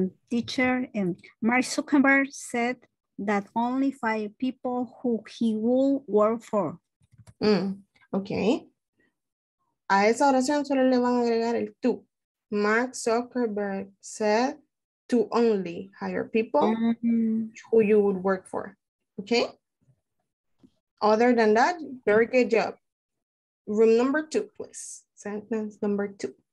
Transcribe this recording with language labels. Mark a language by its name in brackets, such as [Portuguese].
[English] Teacher, Mark Zuckerberg said that only 5 people who he will work for. Ok. [Spanish] A esa oración solo le van a agregar el to. [English] Mark Zuckerberg said to only hire people who you would work for. Ok. Other than that, very good job. Room number 2, please. Sentence number 2.